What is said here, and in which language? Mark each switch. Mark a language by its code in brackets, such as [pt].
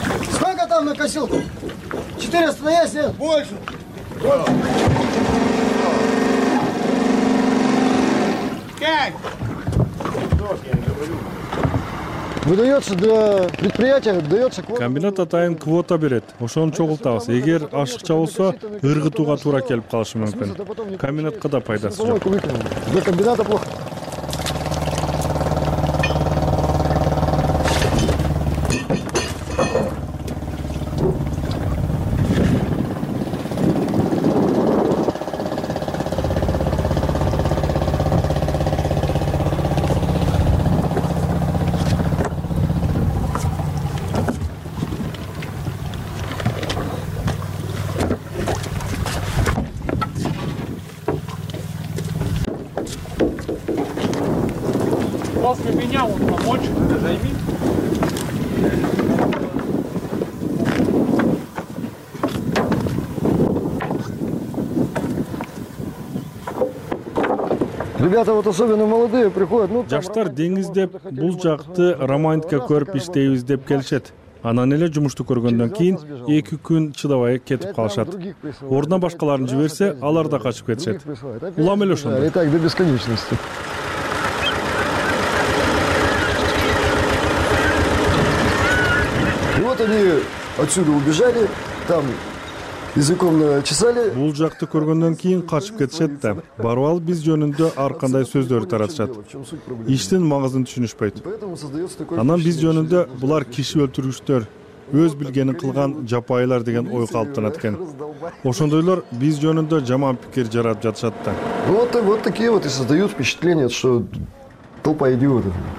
[ru] Сколько там на косилку? 400 на ясе? Больше. Как? Выдается для предприятия, дается квота. [ky] Комбинат атайын квота берет. Ошон чогултабыз. Эгер ашыкча болсо, ыргытууга туура келип калышы мүмкүн. Комбинатка да пайдасы жок. [ru] Для комбината плохо. Ребята вот особенно молодые приходят. Ну, [ky] жаштар деңизде бул жакты романтика көрүп иштейбиз деп келишет. Анан эле жумушту көргөндөн кийин 2 күн чыдабай кетип калышат. Ордуна башкаларын жиберсе, алар да качып кетишет. Улам эле ошондой. [ru] Итак, до бесконечности. Вот они отсюда убежали, там языком чесали. [ky] Бул жакты көргөндөн кийин качып кетишет да. Барып алып биз жөнүндө ар кандай сөздөрдү таратышат. Иштин маңызын түшүнүшпөйт. Анан биз жөнүндө булар киши өлтүргүчтөр, өз билгенин кылган жапайылар деген ой калыптанат экен. Ошондойлор биз жөнүндө жаман пикир жаратып жатышат да. [ru] Вот такие вот и создают впечатление, что толпа идиотов.